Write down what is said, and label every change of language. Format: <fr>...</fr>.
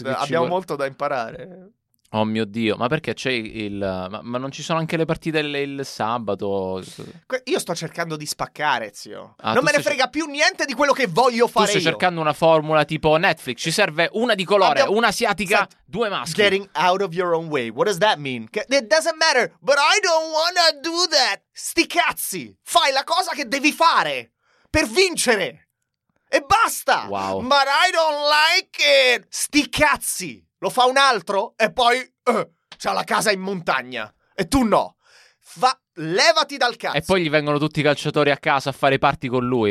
<it>Abbiamo molto da imparare. Oh mio Dio, ma perché c'è il... Ma non ci sono anche le partite il sabato? Io sto cercando di spaccare, zio. Non me ne frega più niente di quello che voglio fare. Tu stai cercando una formula tipo Netflix. Ci serve una di colore, una asiatica, due maschi.</it> <en>Getting out of your own way. What does that mean? It doesn't matter, but I don't wanna do that.</en> <it>Sti cazzi! Fai la cosa che devi fare per vincere! E basta! Wow.</it> <en>But I don't like it!</en> <it>Sti cazzi! Lo fa un altro e poi c'ha la casa in montagna. E tu no. Levati dal cazzo. E poi gli vengono tutti i calciatori a casa a fare party con lui.</it>